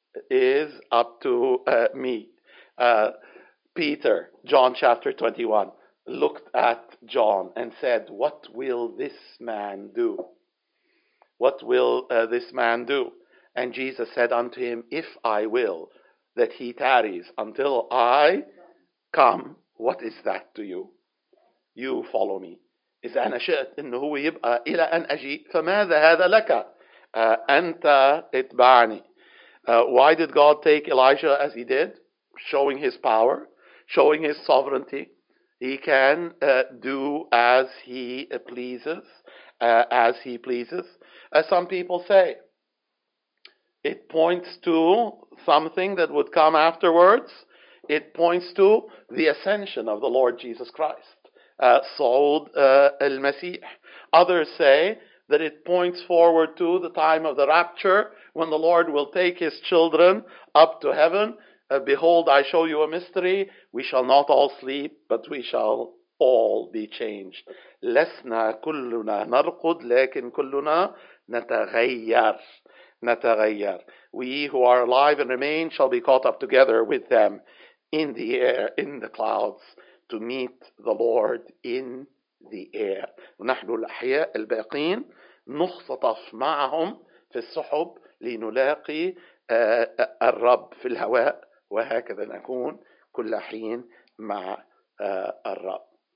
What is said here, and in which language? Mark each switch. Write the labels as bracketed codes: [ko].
[en] Is up to me. Peter, John chapter 21, looked at John and said, what will this man do? What will this man do? And Jesus said unto him, if I will that he tarries until I come, what is that to you? You follow me. [ar] إذا أنا شئت إنه هو يبقى إلى أن أجي فماذا هذا لك؟ أنت اتبعني. [en] Why did God take Elijah as he did? Showing his power, showing his sovereignty. He can do as he pleases, as he pleases. As some people say, it points to something that would come afterwards. It points to the ascension of the Lord Jesus Christ, Saud al-Masih. Others say that it points forward to the time of the rapture when the Lord will take his children up to heaven. Behold, I show you a mystery. We shall not all sleep, but we shall all be changed. [ar] لسنا كلنا نرقد لكن كلنا نتغير. نتغير. [en] We who are alive and remain shall be caught up together with them in the air, in the clouds, to meet the Lord in the air. [ar] ونحن الأحياء الباقين نختطف معهم في السحب لنلاقي الرب في الهواء. وهكذا نكون كل حين مع الرب.